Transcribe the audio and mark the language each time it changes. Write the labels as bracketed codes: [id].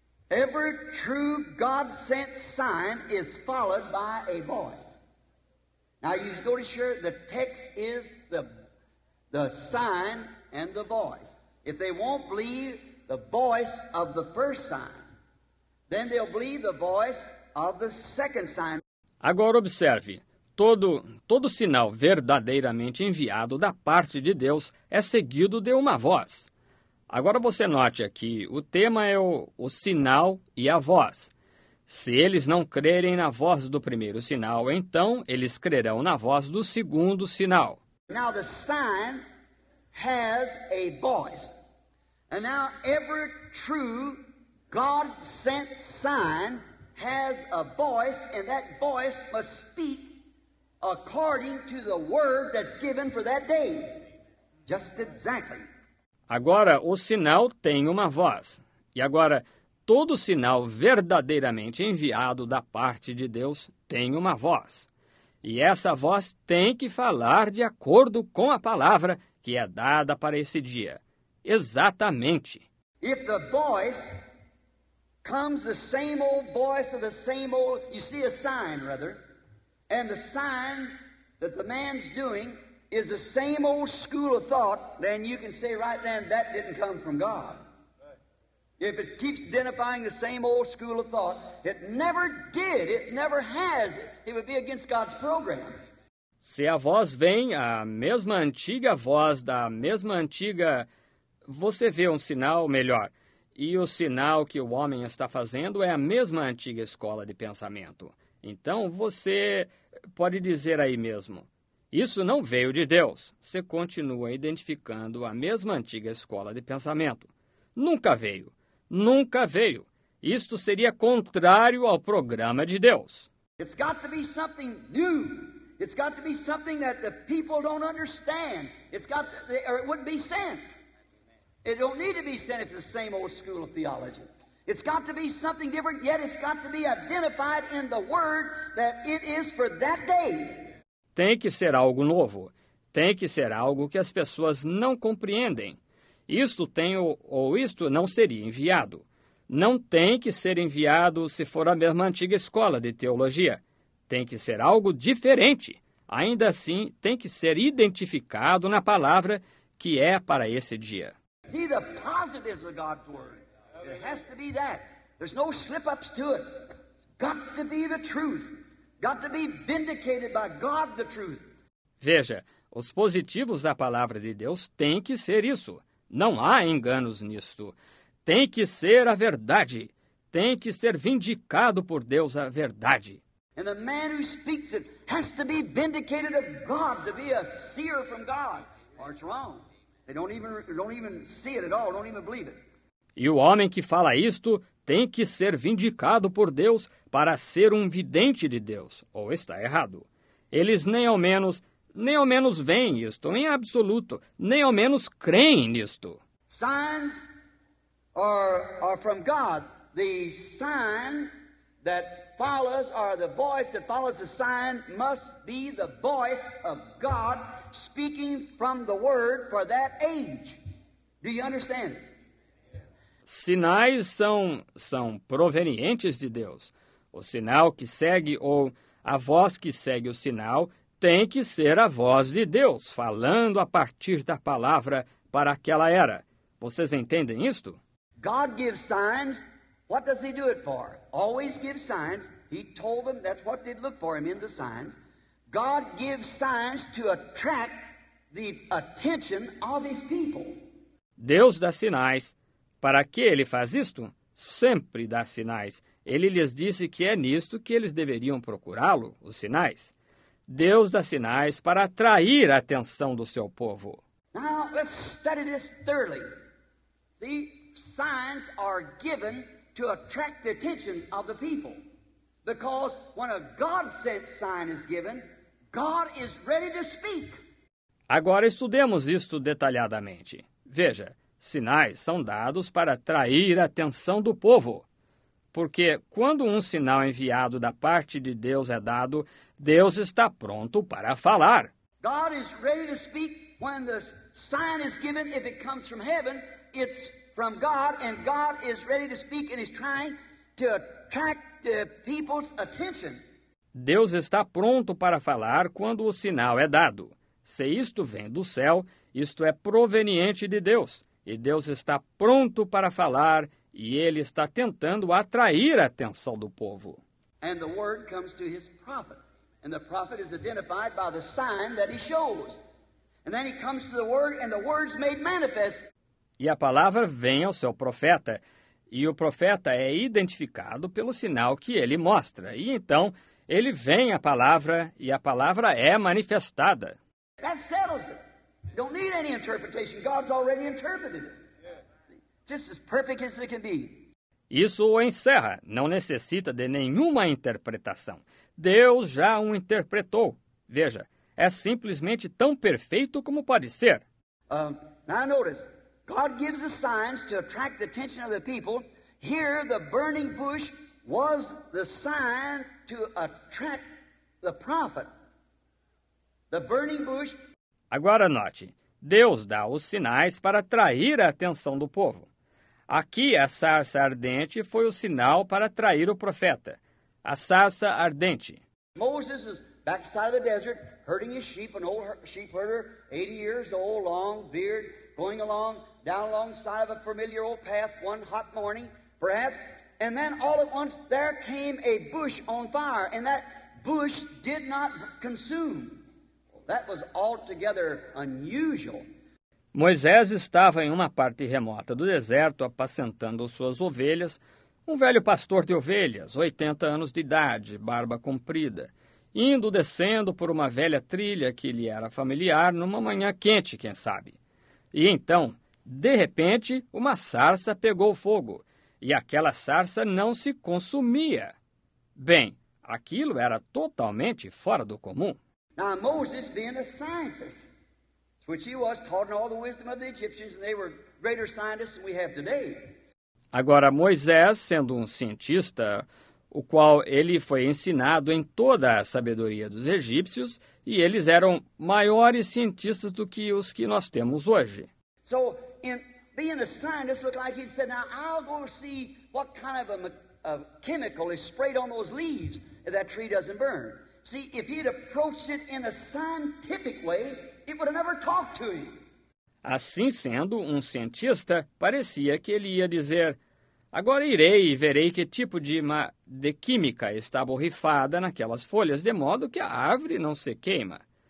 [en] Every true God-sent sign is followed by a voice. Now you go to share the text is the sign and the voice. If they won't believe the voice of the first sign, then they'll believe the voice of the second sign. [pt] Agora observe, todo sinal verdadeiramente enviado da parte de Deus é seguido de uma voz. Agora você note aqui, o tema é o sinal e a voz. Se eles não crerem na voz do primeiro sinal, então eles crerão na voz do segundo sinal. [en] Now the sign has a voice. And now every true God-sent sign has a voice, and that voice must speak according to the word that's given for that day. Just exactly. [pt] Agora, o sinal tem uma voz. E agora, todo sinal verdadeiramente enviado da parte de Deus tem uma voz. E essa voz tem que falar de acordo com a palavra que é dada para esse dia. Exatamente. [en] If the voice comes the same old voice of the same old, you see a sign rather, and the sign that the man's doing is the same old school of thought, then you can say right then that didn't come from God. If it keeps identifying the same old school of thought, it never did, it never has, it would be against God's program. [pt] Se a voz vem, a mesma antiga voz da mesma antiga, você vê sinal melhor. E o sinal que o homem está fazendo é a mesma antiga escola de pensamento. Então, você pode dizer aí mesmo, isso não veio de Deus. Você continua identificando a mesma antiga escola de pensamento. Nunca veio. Nunca veio. Isto seria contrário ao programa de Deus. [en] It's got to be something new. It's got to be something that the people don't understand. It's got to, or it wouldn't be sent. It don't need to be sent if it's the same old school of theology. It's got to be something different, yet it's got to be identified in the word that it is for that day. [pt] Tem que ser algo novo. Tem que ser algo que as pessoas não compreendem. Isto tem ou isto não seria enviado. Não tem que ser enviado se for a mesma antiga escola de teologia. Tem que ser algo diferente. Ainda assim, tem que ser identificado na palavra que é para esse dia. [en] See the positives of God's word. It has to be that. There's no slip-ups to it. It's got to be the truth. Got to be vindicated by God, the truth. [pt] Veja, os positivos da palavra de Deus têm que ser isso. Não há enganos nisto. Tem que ser a verdade. Tem que ser vindicado por Deus a verdade. [en] And the man who speaks it has to be vindicated of God, to be a seer from God. Or it's wrong. They don't even see it at all, don't even believe it. [pt] E o homem que fala isto tem que ser vindicado por Deus para ser um vidente de Deus, ou está errado. Eles nem ao menos veem isto, em absoluto, nem ao menos creem nisto. [en] Signs are from God. The sign that follows, or the voice that follows the sign, must be the voice of God speaking from the Word for that age. Do you understand? [pt] Sinais são provenientes de Deus. O sinal que segue, ou a voz que segue o sinal, tem que ser a voz de Deus, falando a partir da palavra para aquela era. Vocês entendem isto? [en] God gives signs. What does he do it for? Always gives signs. He told them that's what they'd look for him in the signs. God gives signs to attract the attention of his people. [pt] Deus dá sinais. Para que ele faz isto? Sempre dá sinais. Ele lhes disse que é nisto que eles deveriam procurá-lo, os sinais. Deus dá sinais para atrair a atenção do seu povo. [en] Now, let's study this thoroughly. See, signs are given to attract the attention of the people. Because when a God-sent sign is given, God is ready to speak. [pt] Agora estudemos isto detalhadamente. Veja, sinais são dados para atrair a atenção do povo. Porque quando um sinal enviado da parte de Deus é dado, Deus está pronto para falar. [en] God is ready to speak when the sign is given. If it comes from heaven, it's from God, and God is ready to speak and is trying to attract the people's attention. [pt] Deus está pronto para falar quando o sinal é dado. Se isto vem do céu, isto é proveniente de Deus, e Deus está pronto para falar, e ele está tentando atrair a atenção do povo. [en] And the word comes to his prophet, and the prophet is identified by the sign that he shows. And then he comes to the word, and the word's made manifest. [pt] E a palavra vem ao seu profeta, e o profeta é identificado pelo sinal que ele mostra. E então, ele vem à palavra, e a palavra é manifestada. [en] That settles it. Don't need any interpretation. God's already interpreted it. Just as perfect as it can be. [pt] Isso o encerra. Não necessita de nenhuma interpretação. Deus já o interpretou. Veja, é simplesmente tão perfeito como pode ser. [en] Now notice, God gives us signs to attract the attention of the people. Here, the burning bush was the sign to attract the prophet. The burning bush. [pt] Agora note, Deus dá os sinais para atrair a atenção do povo. Aqui a sarça ardente foi o sinal para atrair o profeta. A sarça ardente. [en] Moses is backside of the desert, herding his sheep, an old sheep herder, 80 years old, long beard, going along, down alongside of a familiar old path, one hot morning, perhaps. And then all at once there came a bush on fire, and that bush did not consume. That was altogether unusual. [pt] Moisés estava em uma parte remota do deserto apacentando suas ovelhas, um velho pastor de ovelhas, 80 anos de idade, barba comprida, indo descendo por uma velha trilha que lhe era familiar numa manhã quente, quem sabe. E então, de repente, uma sarça pegou fogo, e aquela sarça não se consumia. Bem, aquilo era totalmente fora do comum. [en] Now, Moses, being a scientist, which he was, taught in all the wisdom of the Egyptians, and they were greater scientists than we have today. [pt] Agora, Moisés, sendo um cientista, o qual ele foi ensinado em toda a sabedoria dos egípcios, e eles eram maiores cientistas do que os que nós temos hoje. [en] So, in being a scientist, looked like he said, now, I'll go see what kind of a chemical is sprayed on those leaves if that tree doesn't burn. See, if he'd approached it in a scientific way, it would have never talked to him. [pt] Assim sendo, um cientista, parecia que ele ia dizer, agora irei e verei que tipo de química está borrifada naquelas folhas, de modo que a árvore não se queima.